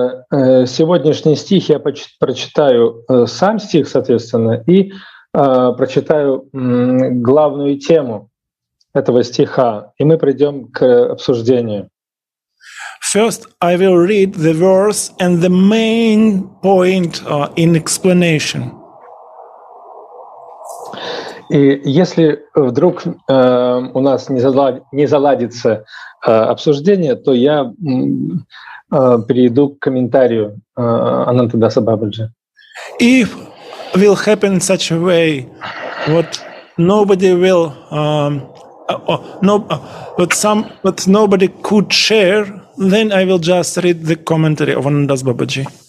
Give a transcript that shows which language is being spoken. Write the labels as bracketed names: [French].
[Russian] Сегодняшний стих я прочитаю сам стих, соответственно, и прочитаю главную тему этого стиха, и мы придем к обсуждению. [English] First, I will read the verse and the main point in explanation. [Russian] И если вдруг у нас не заладится обсуждение, то я перейду к комментарию Анантадаса Бабаджи. [English] If will happen such a way, what nobody will, what nobody could share, then I will just read the commentary of Анантадаса Бабаджи.